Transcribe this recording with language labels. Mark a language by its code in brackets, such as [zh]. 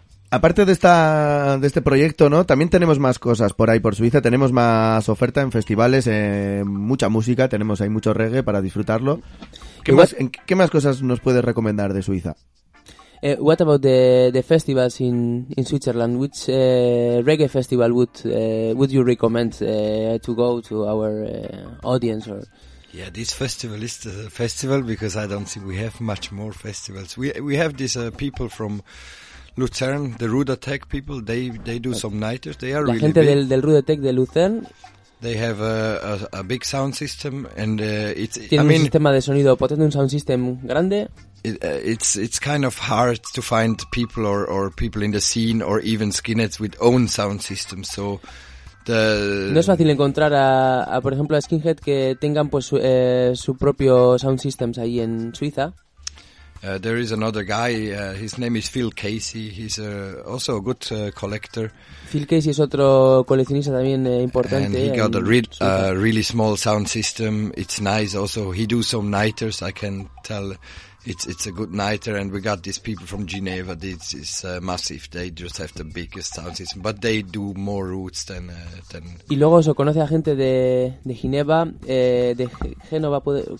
[es] Aparte de este proyecto, ¿no? También tenemos más cosas por ahí por Suiza, tenemos más oferta en festivales, mucha música, tenemos ahí mucho reggae para disfrutarlo. ¿Qué más cosas nos puedes recomendar de Suiza? [en] What about the festivals in Switzerland? Which reggae festival would you recommend to go to our audience? Or yeah, this festival is the festival, because I don't think we have much more festivals. We have these people from Lucerne, the Rude Attack people. They do some nighters. They are [es] la [en] really [es] gente [en] big. [es] del Rude Attack de Lucerne. [en] They have a big sound system and it's. [es] Tienen un sistema de sonido potente, un sound system grande. [en] It's kind of hard to find people or people in the scene or even skinheads with own sound systems. So the. [es] No es fácil encontrar a por ejemplo a skinhead que tengan pues su propio sound systems ahí en Suiza. [en] There is another guy. His name is Phil Casey. He's also a good collector. [es] Phil Casey es otro coleccionista también importante. [en] And he got a really small sound system. It's nice. Also, he do some nighters. I can tell, it's a good nighter. And we got these people from Geneva. This is massive. They just have the biggest sound system, but they do more roots than. [es] Y luego se conoce a gente de Ginebra, de Génova, puede.